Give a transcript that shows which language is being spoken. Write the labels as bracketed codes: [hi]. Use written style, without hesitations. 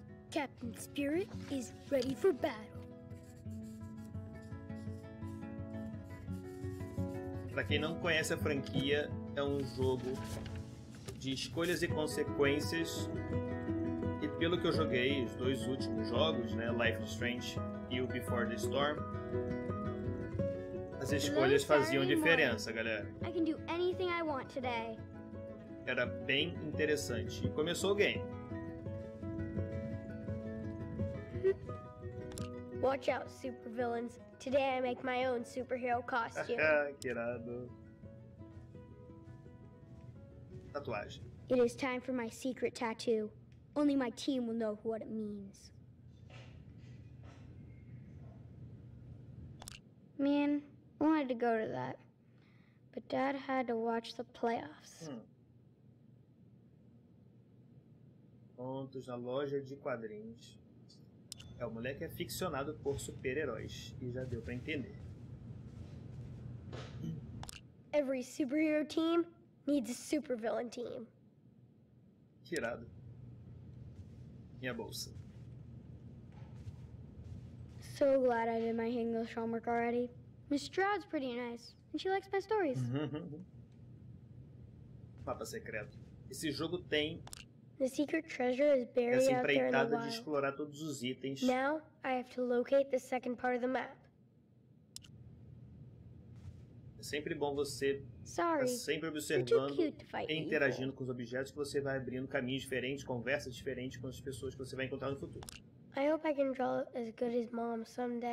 [en] Captain Spirit is ready for battle. [pt] Pra quem não conhece a franquia, é um jogo de escolhas e consequências. E pelo que eu joguei, os dois últimos jogos, né, Life is Strange e o Before the Storm, as escolhas faziam diferença, galera. [en] I can do anything I want today. [pt] Era bem interessante. Começou o game. [en] Watch out, supervillains. Today I make my own superhero costume. [pt] Ah, que irado. Tatuagem. [en] It is time for my secret tattoo. Only my team will know what it means. Man, I wanted to go to that. But Dad had to watch the playoffs. [pt] Pontos na loja de quadrinhos. É, o moleque é aficionado por super-heróis. E já deu pra entender. [en] Every superhero team needs a supervillain team. [pt] Que irado. Minha bolsa. [en] So glad I did my English homework already. Miss Stroud's pretty nice. And she likes my stories. [pt] Mapa secreto. Esse jogo tem... [en] The secret treasure is buried out there in the wild. [pt] Essa empreitada de explorar todos os itens. [en] Now, I have to locate the second part of the map. [pt] É sempre bom você... [en] Sorry, [pt] tá sempre observando e interagindo com os objetos que você vai abrindo caminhos diferentes, conversas diferentes com as pessoas que você vai encontrar no futuro. [en] I hope I can draw as good as mom someday.